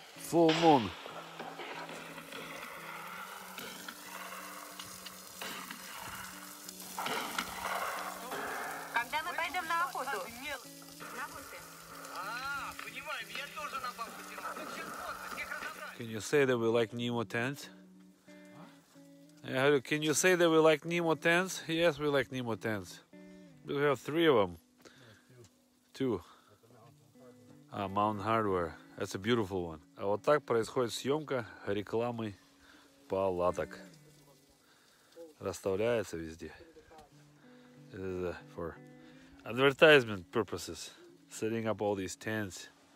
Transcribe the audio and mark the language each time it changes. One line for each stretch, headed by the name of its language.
English: Full moon.
Russian: Когда мы пойдем на охоту? На охоте. Понимаю, меня тоже на бабку тянуло. Ну, сейчас фото, всех разобрали.
English: Can you say that we like Nemo tent?
Russian: Я говорю,
English: can you say that we like Nemo tents? Yes, we like Nemo tents. We have three of them. Two. Mountain Hardware. That's a beautiful one.
Russian: А вот так происходит съемка рекламы палаток. Расставляется везде.
English: This is for advertisement purposes. Setting up all these tents.